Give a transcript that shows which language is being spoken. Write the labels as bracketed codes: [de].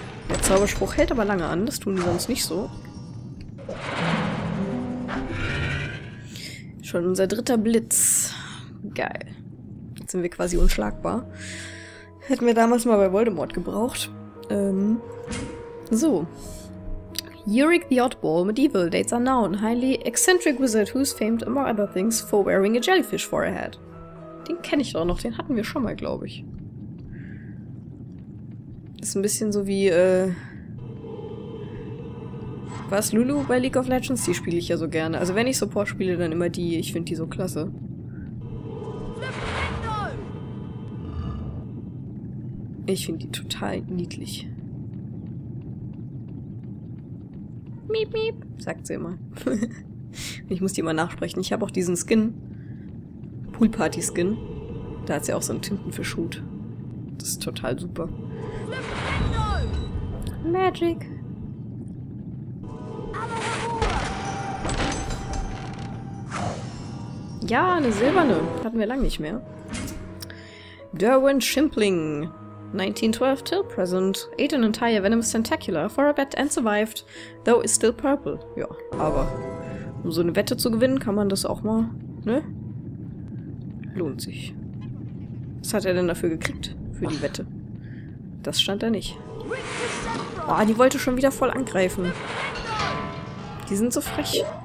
[de] Der Zauberspruch hält aber lange an, das tun die sonst nicht so. Schon unser dritter Blitz. Geil. Jetzt sind wir quasi unschlagbar. Hätten wir damals mal bei Voldemort gebraucht. So. [en] Yurik the Oddball, medieval, dates unknown. Highly eccentric wizard who's famed, among other things, for wearing a jellyfish forehead. [de] Den kenne ich doch noch, den hatten wir schon mal, glaube ich. Ist ein bisschen so wie, was, Lulu bei League of Legends? Die spiele ich ja so gerne. Also wenn ich Support spiele, dann immer die. Ich finde die so klasse. Ich finde die total niedlich. Miep, miep, sagt sie immer. Ich muss die mal nachsprechen. Ich habe auch diesen Skin. Poolparty-Skin. Da hat sie auch so einen Tintenfischhut. Das ist total super. [en] Magic. [de] Ja, eine silberne. Hatten wir lange nicht mehr. [en] Derwin Shimpling. 1912 till present. Ate an entire venomous tentacular for a bet and survived, though is still purple. [de] Ja, aber um so eine Wette zu gewinnen, kann man das auch mal, ne? Lohnt sich. Was hat er denn dafür gekriegt? Für die Wette. Das stand da nicht. Ah, oh, die wollte schon wieder voll angreifen. Die sind so frech.